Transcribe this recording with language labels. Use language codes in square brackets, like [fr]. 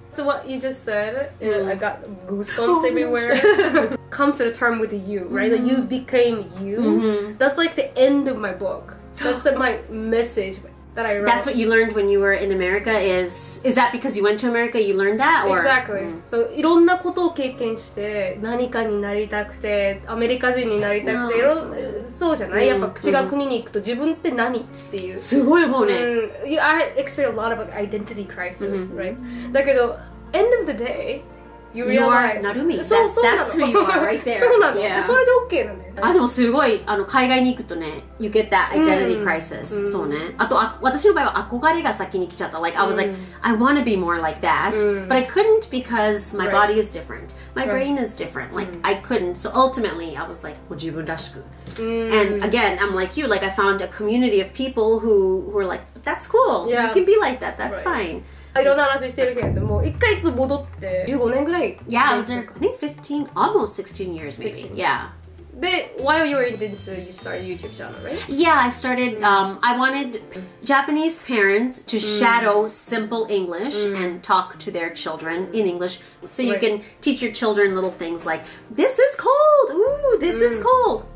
[en] So what you just said, I got goosebumps everywhere. Come to the term with you, right? That you became you. That's like the end of my book. That's my message that I wrote. That's what you learned when you were in America? Is that because you went to America, you learned that? Or? Exactly. [ja] So, いろんなことを経験して、何かになりたくて、アメリカ人になりたくて、そうじゃない？やっぱ口が国に行くと、自分って何っていう。すごい思うね。 [en] I experienced a lot of like, identity crisis, right? だけど、end of the day, You are Narumi. That's who you are right there. [ja] そうなの。Yeah. それで OK なんだよ。あ、でもすごい、あの、海外に行くとね、 [en] you get that identity crisis. [ja] そうね。あと、私の場合は憧れが先に来ちゃった。 [en] Like, I was like, I want to be more like that. But I couldn't because my body is different. My brain is different. Like, I couldn't. So ultimately, I was like, [ja] 自分らしく。 [en] And again, I'm like you. Like, I found a community of people who were like, that's cool. Yeah. You can be like that. That's fine. [ja] いろんな話してるけれども、一回ちょっと戻って、15年ぐらい。 [en] Yeah, I was there, I think 15, almost 16 years maybe. 16. Yeah. で、while you were in Dentsu, you started a YouTube channel, right? Yeah, I started, I wanted Japanese parents to shadow simple English and talk to their children in English so you can teach your children little things like, this is cold, ooh, this is cold.